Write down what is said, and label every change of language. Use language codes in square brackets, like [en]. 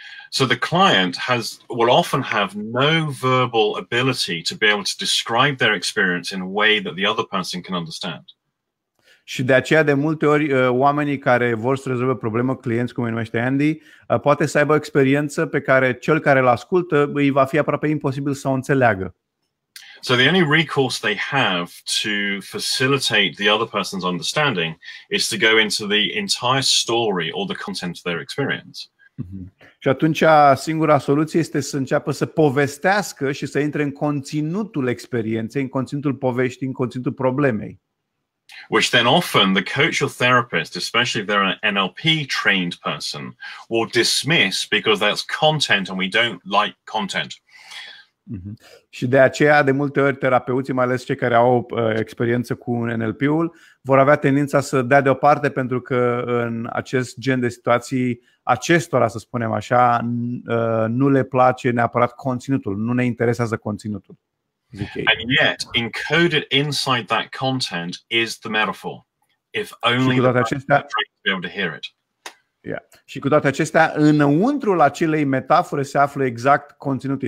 [en] So the client will often have no verbal ability to be able to describe their experience in a way that the other person can understand. [ro] Și de aceea de multe ori oamenii care vor să rezolve problemă, clienți cum îi numește Andy, poate să aibă o experiență pe care cel care îl ascultă îi va fi aproape imposibil să o înțeleagă. [en] So the only recourse they have to facilitate the other person's understanding is to go into the entire story or the content of their experience. [ro] Și atunci singura soluție este să înceapă să povestească și să intre în conținutul experienței, în conținutul poveștii, în conținutul problemei. [en] which then often the coach or therapist, especially if they're an NLP trained person, will dismiss because that's content and we don't like content. [ro] Și de aceea, de multe ori, terapeuții, mai ales cei care au experiență cu un NLP-ul, vor avea tendința să dea deoparte pentru că în acest gen de situații, acestora, să spunem așa, nu le place neapărat conținutul, nu ne interesează conținutul. [en] And yet, encoded inside that content is the metaphor. If only the person would be able to hear it. Yeah. [ro] Și cu toate acestea, înăuntrul acelei metafore se află exact conținutul.